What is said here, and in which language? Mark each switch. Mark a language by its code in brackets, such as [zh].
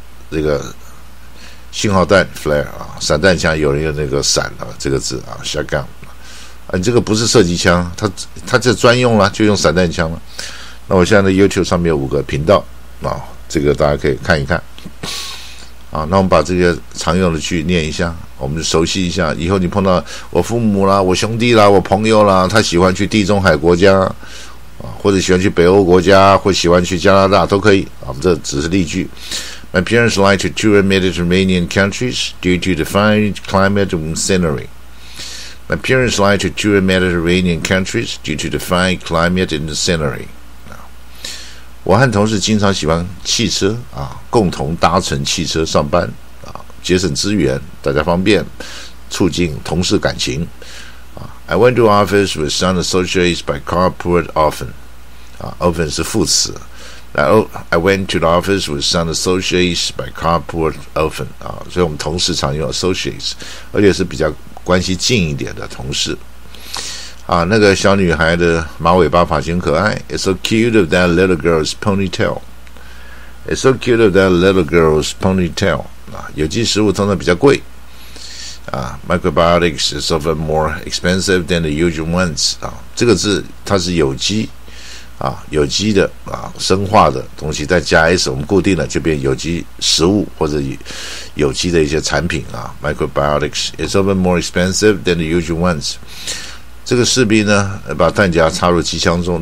[zh] 这个信号弹 flare 啊，散弹枪有人用那个散啊，这个字啊 shotgun 啊，你这个不是射击枪，它这专用了，就用散弹枪了。那我现在 YouTube 上面有五个频道啊，这个大家可以看一看啊。那我们把这些常用的句念一下，我们熟悉一下。以后你碰到我父母啦、我兄弟啦、我朋友啦，他喜欢去地中海国家啊，或者喜欢去北欧国家，或喜欢去加拿大都可以啊。我们这只是例句。 [en] My parents like to tour Mediterranean countries due to the fine climate and scenery. My parents like to tour Mediterranean countries due to the fine climate and scenery. [zh] 我和同事经常喜欢汽车啊，共同搭乘汽车上班啊，节省资源，大家方便，促进同事感情啊。 [en] I went to office with some associates by carpool often. [zh] 啊 ，often 是副词。 [en] I went to the office with some associates by carpool often [zh] 啊，所以我们同事常用 associates， 而且是比较关系近一点的同事啊。那个小女孩的马尾巴发型可爱 ， [en] It's so cute of that little girl's ponytail. It's so cute of that little girl's ponytail 啊。 [zh] 有机食物通常比较贵啊 [en] ，microbiotics is often more expensive than the usual ones 啊。 [zh] 这个字它是有机。啊，有机的啊，生化的东西再加 s， 我们固定了就变有机食物或者有机的一些产品啊。 [en] Microbiotics is often more expensive than the usual ones。 [zh] 这个士兵呢，把弹夹插入机枪中。